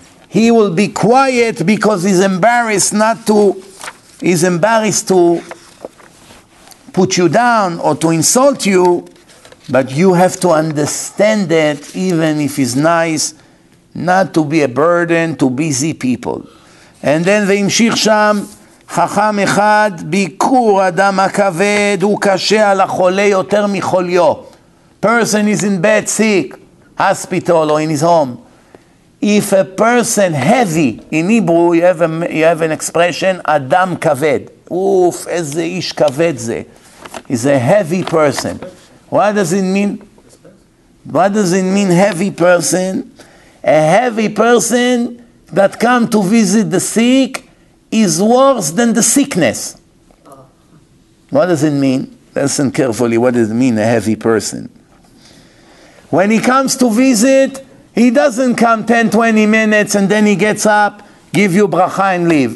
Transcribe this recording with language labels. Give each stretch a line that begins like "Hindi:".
English: He will be quiet because he's embarrassed to put you down or to insult you, but you have to understand that even if he's nice, not to be a burden to busy people. And then
Hebrew: וימשיך שם, חכם אחד, ביקור אדם הכבד, הוא קשה על החולה יותר מחוליו.
English: Person is in bed sick, hospital or in his home. If a person heavy, in Hebrew you have an expression, Adam Kaved.
Hebrew: Oof, איזה איש כבד זה.
English: He's a heavy person. What does it mean? What does it mean, heavy person? A heavy person that comes to visit the sick is worse than the sickness. What does it mean? Listen carefully, what does it mean, a heavy person? When he comes to visit, he doesn't come 10, 20 minutes and then he gets up, give you bracha and leave.